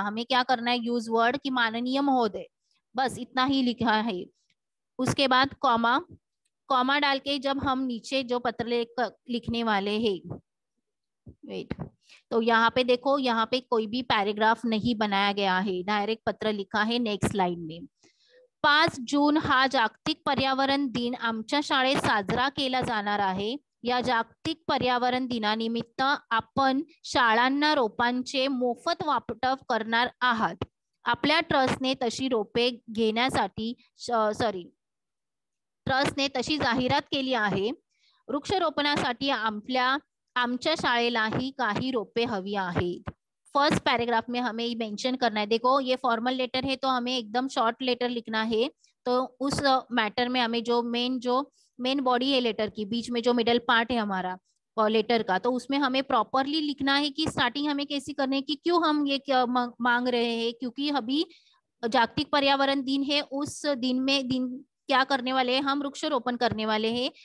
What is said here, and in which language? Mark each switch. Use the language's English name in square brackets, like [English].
[Hindi] हमें क्या करना है, यूज वर्ड कि माननीय महोदय, बस इतना ही लिखा है। उसके बाद कॉमा, कॉमा डाल के जब हम नीचे जो पत्र लिखने वाले है, वेट, तो यहाँ पे देखो यहाँ पे कोई भी पैराग्राफ नहीं बनाया गया है, डायरेक्ट पत्र लिखा है। नेक्स्ट लाइन में [Marathi] 5 जून हा जागतिक पर्यावरण दिन आमच्या शाळेत साजरा केला जाणार आहे। या जागतिक पर्यावरण दिनानिमित्त आपण शाळांना रोपांचे मोफत वाटप करणार आहात। आपल्या ट्रस्टने तशी रोपे घेण्यासाठी ट्रस्टने तशी जाहिरात केली आहे। वृक्षारोपणासाठी आमच्या शाळेलाही काही रोपे हवी आहेत। [Hindi] फर्स्ट पैराग्राफ में हमें मेंशन करना है। देखो ये फॉर्मल लेटर है तो हमें एकदम शॉर्ट लेटर लिखना है। तो उस मैटर में हमें जो मेन बॉडी है लेटर की, बीच में जो मिडल पार्ट है हमारा लेटर का, तो उसमें हमें प्रॉपरली लिखना है कि स्टार्टिंग हमें कैसी करनी है, कि क्यों हम ये मांग रहे हैं, क्योंकि अभी जागतिक पर्यावरण दिन है, उस दिन में दिन क्या करने वाले है, हम वृक्षारोपण करने वाले है।